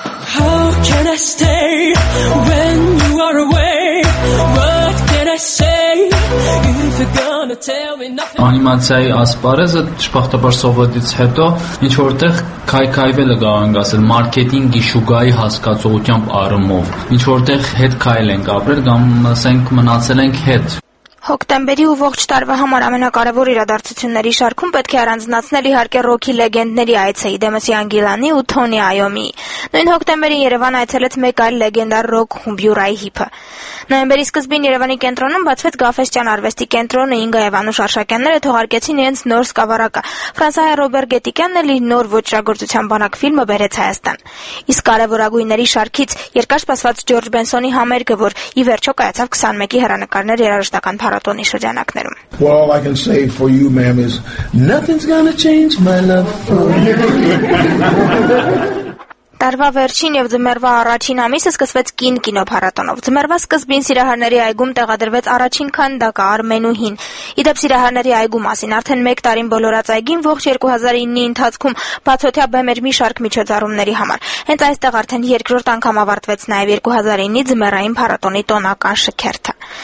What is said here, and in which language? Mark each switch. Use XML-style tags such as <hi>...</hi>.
<en>How can I stay when you are away? What can I say?</en> <hy>Անիմացիայի ասպարեզը շփախտաբար սովետից հետո ինչ որտեղ քայքայվելը կարող ենք ասել մարքեթինգի շուգայի հասկացողությամբ առումով, ինչ որտեղ հետ քայլ ենք ապրել կամ ասենք մնացել ենք հետ։ Հոկտեմբերի ու ողջ տարվա համար ամենակարևոր իրադարձությունների շարքում պետք է առանձնացնել իհարկե ռոքի լեգենդների այցը՝ Դեմսի Անգիլանի ու Թոնի Այոմի։ Նույն հոկտեմբերին Երևան այցելեց մեկ այլ լեգենդար ռոք խումբյուրայի հիփը։ Նոյեմբերի սկզբին Երևանի կենտրոնում բացվեց Գաֆեսճան արվեստի կենտրոնը, Ինգա և Անուշ Արշակյանները թողարկեցին իրենց նոր սկավառակը։ Ֆրանսահայ Ռոբերտ Գետիկյանն էլ իր նոր ոճագործության բանակ ֆիլմը բերեց Հայաստան։ Իսկ կարևորագույնների շարքից երկար սպասված Ջորջ Բենսոնի համերգը, որ ի վերջո կայացավ 21-ի հեռանկարներ երաժշտական փառատոնում։ փառատոնի շրջանակներում։</hy> <en>Well, all I can say for you, ma'am, is nothing's gonna change my love for you.</en> <hy>Տարվա վերջին եւ ձմեռվա առաջին ամիսը սկսվեց կին կինոփառատոնով։ Ձմեռվա սկզբին սիրահարների այգում տեղադրվեց առաջին քանդակը Արմենուհին։ Իդեպ սիրահարների այգու մասին արդեն 1 տարին բոլորած այգին ողջ 2009-ի ընթացքում բացօթյա բեմեր մի շարք միջոցառումների համար։ Հենց այստեղ արդեն երկրորդ անգամ ավարտվեց նաեւ 2009-ի ձմեռային փառատոնի տոնական շքերթը։</hy>